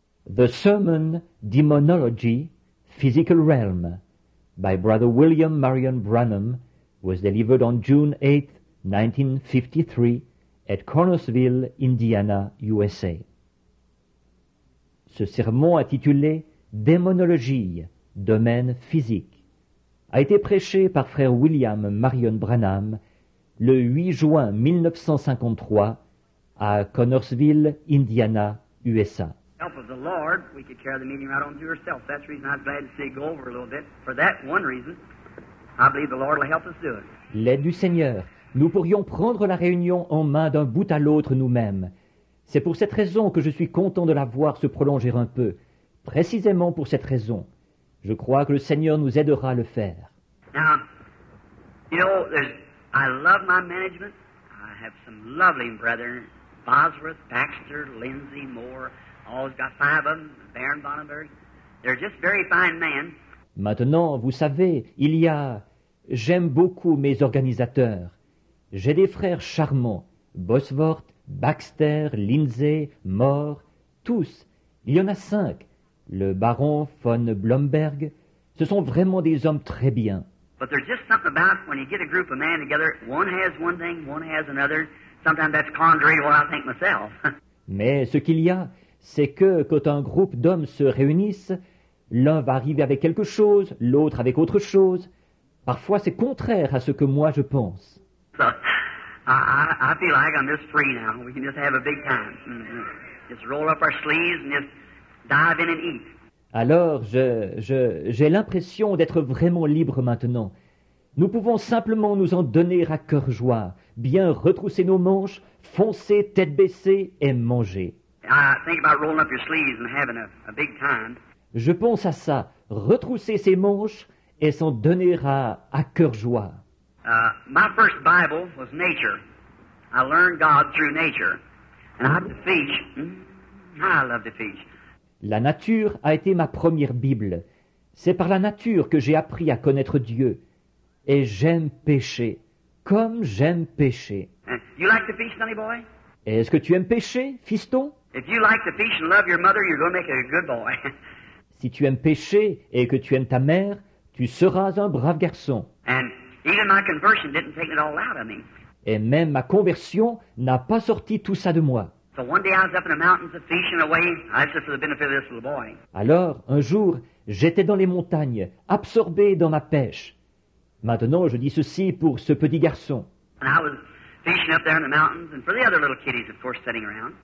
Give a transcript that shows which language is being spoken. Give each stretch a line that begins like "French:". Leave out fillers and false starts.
English: The Sermon, Demonology, Physical Realm, by Brother William Marion Branham, was delivered on June 8, 1953, at Cornersville, Indiana, USA.
French: Ce sermon intitulé « Démonologie, domaine physique » a été prêché par Frère William Marion Branham le 8 juin 1953 à Cornersville, Indiana, USA.
English: Help of the Lord, we could carry the meeting right on to yourself. That's the reason I'm glad to see you go over a little bit. For that one reason, I believe the Lord will help us do it.
French: L'aide du Seigneur, nous pourrions prendre la réunion en main d'un bout à l'autre nous-mêmes. C'est pour cette raison que je suis content de la voir se prolonger un peu. Précisément pour cette raison, je crois que le Seigneur nous aidera à le faire.
English: Now, you know, I love my management. I have some lovely brethren, Bosworth, Baxter, Lindsay, Moore. Always got five of them, Baron Bonnenberg. They're just very fine men.
French: Maintenant, vous savez, il y a... J'aime beaucoup mes organisateurs. J'ai des frères charmants. Bosworth, Baxter, Lindsay, Moore, tous. Il y en a cinq. Le Baron von Blomberg. Ce sont vraiment des hommes très bien.
English: But there's just something about when you get a group of men together, one has one thing, one has another. Sometimes that's contrary to what I think myself.
French: Mais ce qu'il y a... C'est que quand un groupe d'hommes se réunissent, l'un va arriver avec quelque chose, l'autre avec autre chose. Parfois, c'est contraire à ce que moi je pense.
English: I feel like I'm just free now. We can just have a big time. Mm-hmm. Just roll up our sleeves and just dive in and eat.
French: Alors, j'ai l'impression d'être vraiment libre maintenant. Nous pouvons simplement nous en donner à cœur joie, bien retrousser nos manches, foncer tête baissée et manger.
English: I think about rolling up your sleeves and having a big time.
French: Je pense à ça, retrousser ses manches et s'en donner à cœur joie.
English: My first Bible was nature. I learned God through nature. And I love to fish. I love to fish.
French: La nature a été ma première Bible. C'est par la nature que j'ai appris à connaître Dieu. Et j'aime pêcher, comme j'aime pêcher.
English: You like to fish, sonny boy?
French: Est-ce que tu aimes pêcher, fiston?
English: If you like to fish and love your mother, you're going to make a good boy.
French: Si tu aimes pêcher et que tu aimes ta mère, tu seras un brave garçon.
English: And even my conversion didn't take it all out of me.
French: Et même ma conversion n'a pas sorti tout ça de moi.
English: So one day I was up in the mountains fishing away, just for the benefit of this little boy.
French: Alors, un jour, j'étais dans les montagnes, absorbé dans ma pêche. Maintenant, je dis ceci pour ce petit garçon.
English: And I was fishing up there in the mountains, and for the other little kiddies, of course, sitting around.